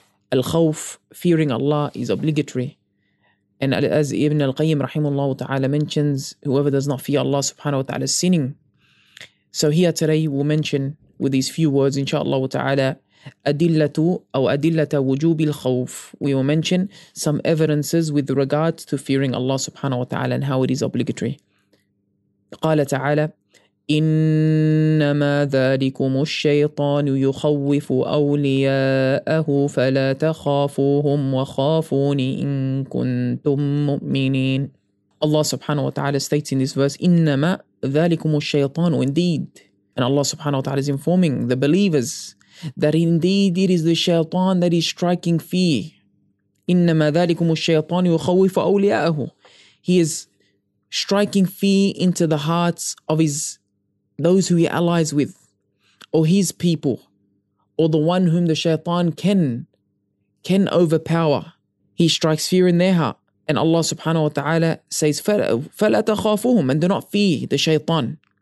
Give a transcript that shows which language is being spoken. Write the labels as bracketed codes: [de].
[en] Al-khawf, fearing Allah, is obligatory. And as Ibn al-Qayyim rahimahullah ta'ala mentions, whoever does not fear Allah subhanahu wa ta'ala is sinning. So here today we'll mention with these few words, inshaAllah ta'ala, [ar] adillatu aw adillata wujub al-khawf. [en] We will mention some evidences with regard to fearing Allah subhanahu wa ta'ala and how it is obligatory. [ar] قال تعالى إنما ذلكم الشيطان يخوف أولياءه فلا تخافوهم وخافون إن كنتم مؤمنين. [en] Allah subhanahu wa ta'ala states in this verse, [ar] إنما ذلكم الشيطان, [en] indeed. And Allah subhanahu wa ta'ala is informing the believers that indeed it is the shaytan that is striking fear. [ar] إنما ذلكم الشيطان يخوف أولياءه. [en] He is striking fear into the hearts of those who he allies with, or his people, or the one whom the shaytan can overpower. He strikes fear in their heart. And Allah subhanahu wa ta'ala says, [ar] فَلَا تَخَافُهُمْ, [en] and do not fear the shaytan.